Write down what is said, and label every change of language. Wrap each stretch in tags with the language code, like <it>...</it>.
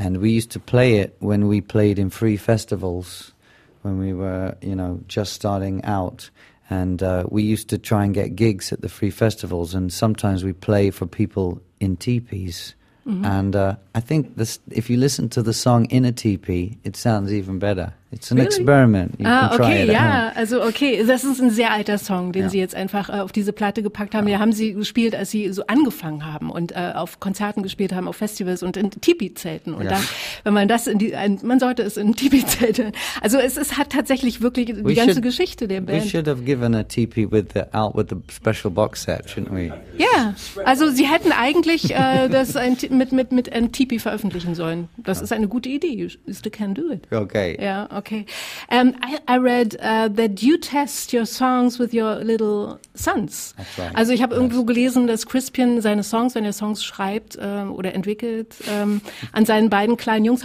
<en>And we used to play it when we played in free festivals, when we were, you know, just starting out. And we used to try and get gigs at the free festivals, and sometimes we play for people in teepees. Mm-hmm. And I think this, if you listen to the song in a teepee, it sounds even better. It's an experiment. You can try it.</en> <de>Okay, ja, also okay, das ist ein sehr alter Song, den Sie jetzt einfach auf diese Platte gepackt haben. Ja. Den haben Sie gespielt, als Sie so angefangen haben und auf Konzerten gespielt haben, auf Festivals und in Tipi-Zelten. Und dann, wenn man das in die, man sollte es in Tipi-Zelten. Also es hat tatsächlich wirklich die ganze Geschichte der Band.</de> <en>We should have given a Tipi with the special box set, shouldn't we?</en> <de>Ja, also Sie hätten eigentlich das mit einem Tipi veröffentlichen sollen. Das ist eine gute Idee.</de> <en>You still can do it. Okay.</en> <de>Ja.</de> <en>Okay, I read that you test your songs with your little sons. That's right.</en> <de>Also ich habe irgendwo gelesen, dass Crispian seine Songs, wenn er Songs schreibt oder entwickelt, an seinen beiden kleinen Jungs.</de>